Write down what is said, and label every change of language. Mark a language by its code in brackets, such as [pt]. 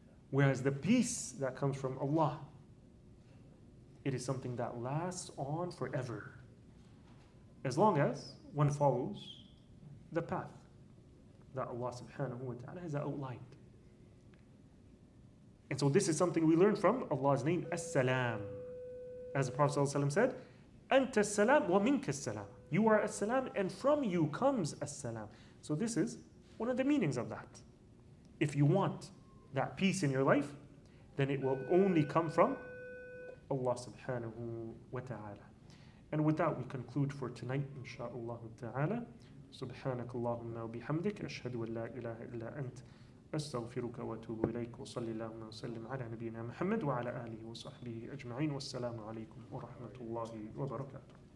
[en] Whereas the peace that comes from Allah, it is something that lasts on forever, as long as one follows the path that Allah subhanahu wa ta'ala has outlined. And so this is something we learn from Allah's name, As-Salam. As the Prophet ﷺ said, [ar] أنت السلام ومنك السلام. [en] You are As-Salam, and from you comes As-Salam. So this is one of the meanings of that. If you want that peace in your life, then it will only come from Allah subhanahu wa ta'ala. And with that, we conclude for tonight, inshaAllah ta'ala. [ar] سبحانك اللهم وبحمدك أشهد أن لا إله إلا أنت أستغفرك وأتوب إليك وصلي اللهم وسلم على نبينا محمد وعلى آله وصحبه أجمعين والسلام عليكم ورحمة الله وبركاته.